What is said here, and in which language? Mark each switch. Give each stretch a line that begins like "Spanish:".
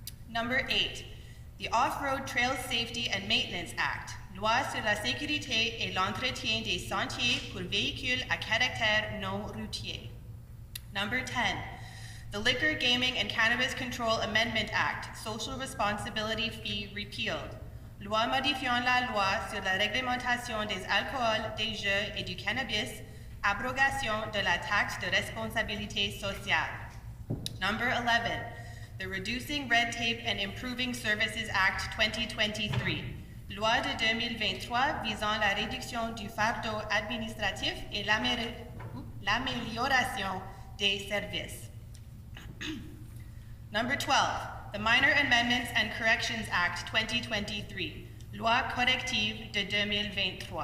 English: Number 8, the Off-Road Trail Safety and Maintenance Act,
French: Loi sur la sécurité et l'entretien des sentiers pour véhicules à caractère non routier.
English: Number 10, the Liquor, Gaming, and Cannabis Control Amendment Act, Social Responsibility Fee Repealed.
French: Loi modifiant la loi sur la réglementation des alcools, des jeux et du cannabis, abrogation de la taxe de responsabilité sociale.
English: Number 11, the Reducing Red Tape and Improving Services Act 2023.
French: Loi de 2023 visant la réduction du fardeau administratif et l'amélioration des services.
English: Number 12, the Minor Amendments and Corrections Act 2023,
French: Loi Corrective de 2023.